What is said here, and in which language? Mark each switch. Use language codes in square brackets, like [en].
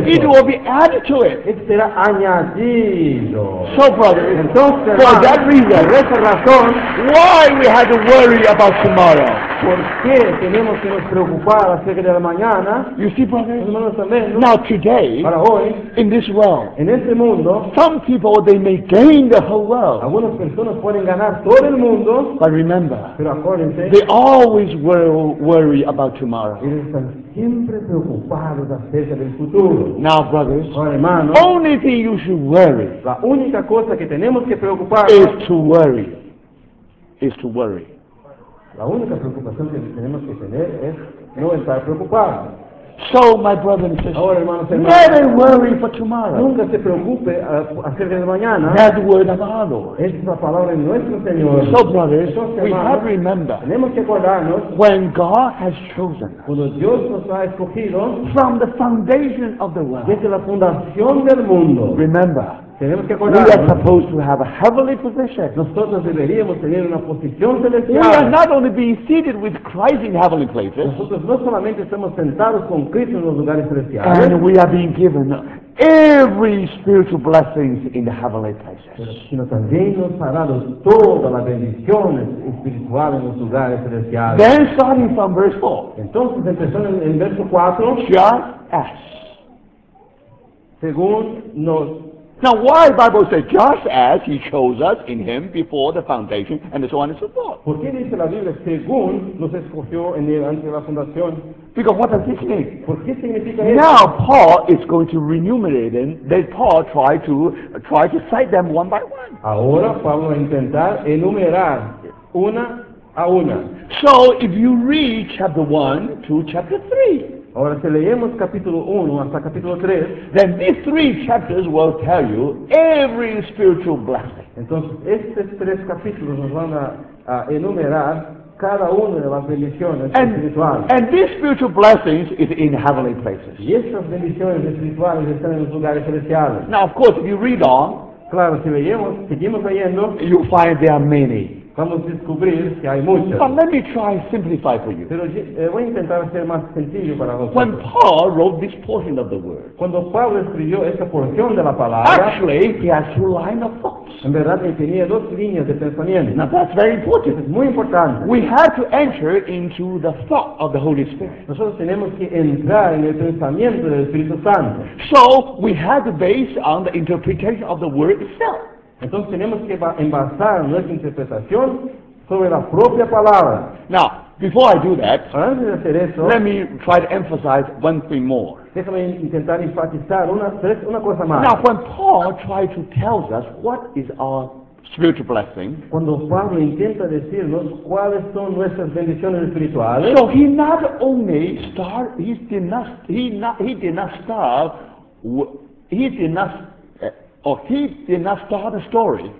[en] It will be added to it. [es] Esto será añadido. [en] So, brothers, [es] entonces, hermanos, [en] that reason, [es] por esa razón, [en] why we have to worry about tomorrow? [es] ¿Por qué tenemos que nos preocupar acerca de la mañana? [en] You see, brothers, [es] hermanos, también, ¿no? [en] Now today, [es] para hoy, [en] in this world, [es] en este mundo, [en] some people, they may gain the whole world. [es] Algunas personas pueden ganar todo el mundo. [en] But remember, [es] pero acuérdense, [en] they always worry about tomorrow. [es] Ellos están siempre preocupados acerca del futuro. [en] Now, brothers, [es] ahora, hermanos, [en] only thing you should worry, [es] la única cosa que tenemos que preocupar, [en] is to worry. Is to worry. [es] La única preocupación que tenemos que tener es no estar preocupados. [en] So, my brother and sister, [es] ahora, hermanos, [en] never worry for tomorrow. [es] Nunca se preocupe acerca de mañana. [en] That word of our Lord. [es] Es la palabra de nuestro Señor. [en] So, brothers, [es] entonces, [en] we [es] hermanos, [en] have to remember, [es] tenemos que acordarnos, [en] when God has chosen us, [es] cuando Dios nos ha escogido, [en] from the foundation of the world, [es] desde la fundación del mundo, [en] remember, [es] que [en] we are supposed to have a heavenly position. [es] Nosotros deberíamos tener una posición celestial. [en] We are not only being seated with Christ in heavenly places. [es] Nosotros no solamente estamos sentados con Cristo en los lugares celestiales. [en] And we are being given every spiritual blessings in the heavenly places. [es] Sino también nos ha dado todas las bendiciones espirituales en los lugares celestiales. [en] Then starting from verse 4. [es] Entonces empezando en verso 4. [en] Just as. [es] Según nos. [en] Now why the Bible says just as he chose us in him before the foundation and so on and so forth? [es] ¿Por qué dice la Biblia según nos escogió en él antes de la fundación? [en] Because what does this mean? [es] ¿Por qué significa [en] eso? Now Paul is going to enumerate them. Then Paul try to cite them one by one. [es] Ahora Pablo va a intentar enumerar una a una. [en] So if you read chapter 1 to chapter 3. [es] Ahora, si leemos capítulo 1 hasta capítulo 3, [en] then these three chapters will tell you every spiritual blessing. [es] Entonces, estos tres capítulos nos van a enumerar cada una de las bendiciones espirituales. [en] And these spiritual blessings is in heavenly places. [es] Y esas bendiciones espirituales están en los lugares celestiales. [en] Now, of course, if you read on, [es] claro, si leemos, seguimos leyendo, [en] you find there are many. [es] Vamos a descubrir que hay muchas. [en] But let me try and simplify for you. [es] Pero voy a intentar hacer más sencillo para vosotros. [en] When Paul wrote this portion of the word, [es] cuando Pablo escribió esta porción de la palabra, [en] actually, he had two lines of thought. [es] En verdad, él tenía dos líneas de pensamiento. [en] Now that's very important. [es] Es muy importante. [en] We have to enter into the thought of the Holy Spirit. [es] Nosotros tenemos que entrar en el pensamiento del Espíritu Santo. [en] So we have to base on the interpretation of the word itself. [es] Entonces tenemos que embasar nuestra interpretación sobre la propia palabra. [en] Now, before I do that, [es] antes de hacer eso, [en] let me try to emphasize one thing more. [es] Déjame intentar enfatizar una cosa más. [en] Now, when Paul tries to tell us what is our spiritual blessing, [es] cuando Pablo intenta decirnos cuáles son nuestras bendiciones espirituales, [en] so he not only start, he did not start the story.